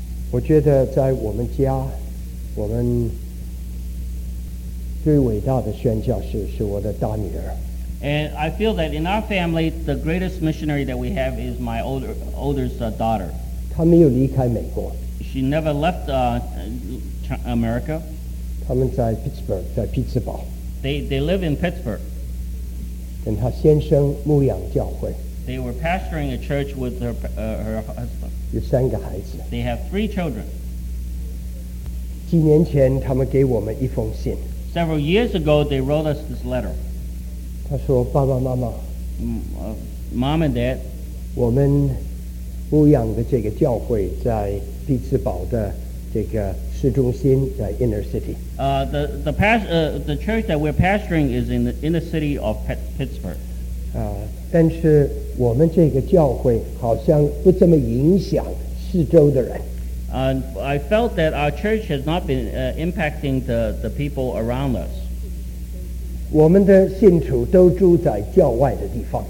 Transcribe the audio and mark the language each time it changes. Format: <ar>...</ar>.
<zh>我觉得在我们家，我们最伟大的宣教士是我的大女儿。</zh> <en>And I feel that in our family, the greatest missionary that we have is my oldest daughter.</en> <zh>她没有离开美国。</zh> <en>She never left America.</en> <zh>他们在 Pittsburgh， 在匹兹堡。</zh> <en>They live in Pittsburgh.</en> <zh>跟他先生牧养教会。</zh> <en>They were pastoring a church with her husband.</en> <zh>有三个孩子。</zh> <en>They have 3 children.</en> <zh>几年前他们给我们一封信。</zh> <en>Several years ago, they wrote us this letter.</en> <zh>他说爸爸妈妈。</zh> <en>Mom and Dad.</en> <zh>我们牧养的这个教会在匹兹堡的这个市中心的 inner city.</zh> <en>The church that we're pastoring is in the inner city of Pittsburgh.</en> <zh>但是我们这个教会好像不怎么影响四周的人。</zh> <en>I felt that our church has not been impacting the people around us.</en> <zh>我们的信徒都住在教外的地方。</zh>